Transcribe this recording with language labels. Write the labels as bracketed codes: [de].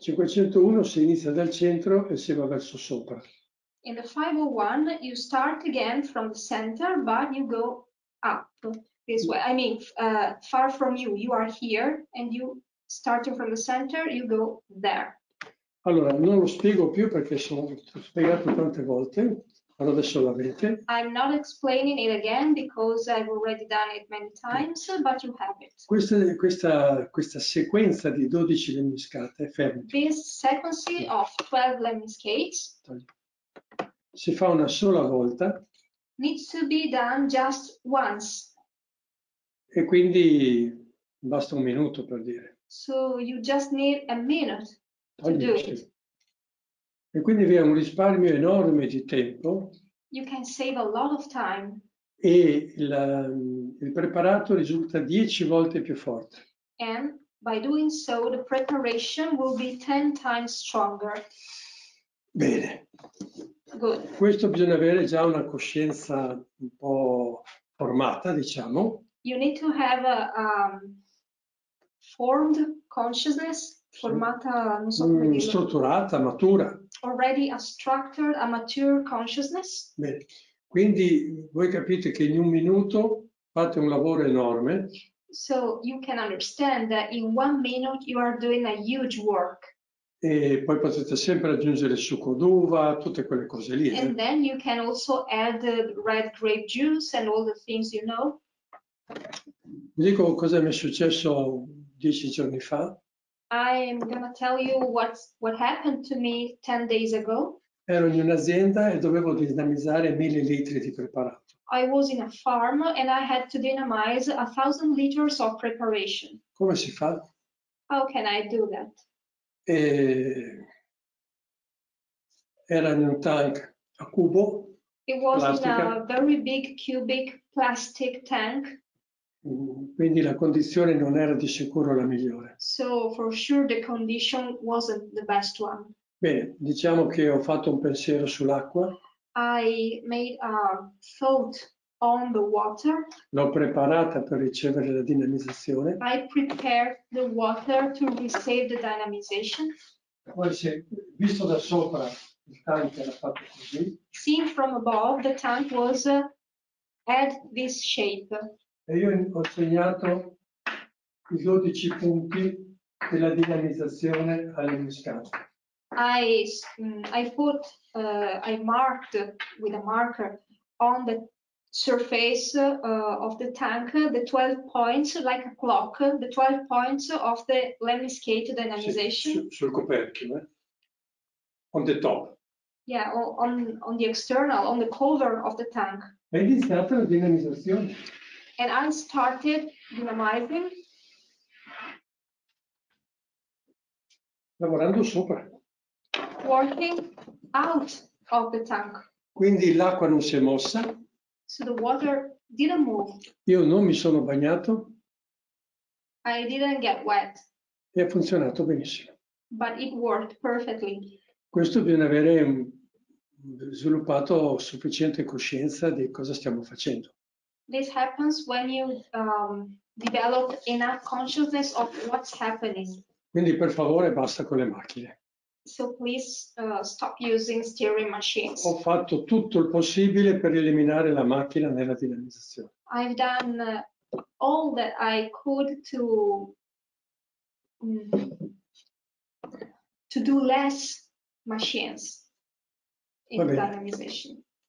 [it] 501 si inizia dal centro e si va verso sopra. [en] In the 501 you start again from the center but you go up this way. I mean, far from you. You are here and you starting from the center, you go there. [it] Allora, non lo spiego più perché sono spiegato tante volte. Allora adesso l'avete. [en] I'm not explaining it again because I've already done it many times, but you have it. [it] Questa sequenza di 12 lemniscate è ferma. [en] This sequence of 12 lemniscates [it] si fa una sola volta. [en] needs to be done just once. [it] E quindi basta un minuto per dire. [en] So you just need a minute to do it. [it] E quindi vi è un risparmio enorme di tempo. [en] You can save a lot of time. [it] E il preparato risulta 10 volte più forte. [en] And by doing so, the preparation will be 10 times stronger. [it] Bene. [en] Good. [it] Questo bisogna avere già una coscienza un po' formata, diciamo. [en] You need to have a formed consciousness, [it] formata, non so come dire. Strutturata, matura. [en] Already a structured, a mature consciousness. [it] Bene. Quindi voi capite che in un minuto fate un lavoro enorme. [en] So you can understand that in one minute you are doing a huge work. [it] E poi potete sempre aggiungere succo d'uva, tutte quelle cose lì. [en] And then you can also add the red grape juice and all the things you know. [it] Vi dico cosa mi è successo 10 giorni fa. [en] I'm gonna tell you what happened to me 10 days ago. [it] Ero in un'azienda e dovevo dinamizzare 1000 litri di preparato. [en] I was in a farm and I had to dynamize 1000 liters of preparation. [it] Come si fa? [en] How can I do that? [it] Era in un tank a cubo. [en] It was plastica. In a very big cubic plastic tank. [it] Quindi la condizione non era di sicuro la migliore. [en] So for sure the condition wasn't the best one. [it] Bene, diciamo che ho fatto un pensiero sull'acqua. [en] I made a thought on the water. [it] L'ho preparata per ricevere la dinamizzazione. [en] I prepared the water to receive the dynamization. [it] Poi se, visto da sopra, il tank era fatto così. [en] Seen from above, the tank was at this shape. [it] E io ho segnato i 12 punti della dinamizzazione all'innescato. [en] I marked with a marker on the surface of the tank the 12 points, like a clock, the 12 points of the lemniscate dynamization. [it] Sul coperchio, eh? [en] On the top. Yeah, on the external, on the cover of the tank. [it] È iniziata la dinamizzazione. [en] And I started dynamizing. [it] Lavorando sopra. [en] Working out of the tank. [it] Quindi l'acqua non si è mossa. [en] So the water didn't move. [it] Io non mi sono bagnato. [en] I didn't get wet. [it] E ha funzionato benissimo. [en] But it worked perfectly. [it] Questo bisogna avere sviluppato sufficiente coscienza di cosa stiamo facendo. [en] This happens when you develop enough consciousness of what's happening. [it] Quindi per favore basta con le macchine. [en] So please stop using steering machines. [it] Ho fatto tutto il possibile per eliminare la macchina nella dinamizzazione. [en] I've done all that I could to do less machines in dynamization.